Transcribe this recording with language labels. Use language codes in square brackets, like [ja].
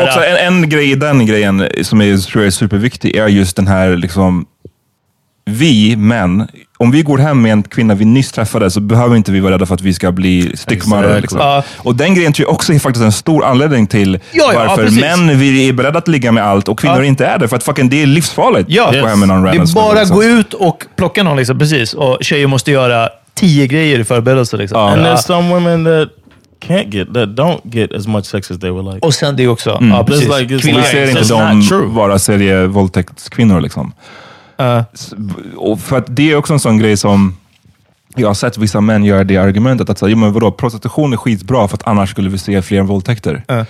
[sv] tror också en grej i den grejen som är, tror jag är superviktig, är just den här liksom, vi män, om vi går hem med en kvinna vi nyss träffade, så behöver inte vi vara rädda för att vi ska bli styckmördare. Liksom. Och den grejen tror jag också är faktiskt en stor anledning till varför män vi är beredda att ligga med allt och kvinnor inte är det. För att fucking det är livsfarligt att gå hem med någon random. Det är bara liksom, gå ut och plocka någon liksom, precis. Och tjejer måste göra 10 grejer i förberedelse liksom. [en] And there's some women that can't get, that don't get as much sex as they would like. [sv] Och sen det också. Mm. Precis. Like, kvinnor ser inte dem vara serievåldtäktskvinnor liksom. Och för att det är också en sån grej som jag har sett vissa män göra, det argumentet att säga, men vadå, prostitution är skitbra för att annars skulle vi se fler våldtäkter.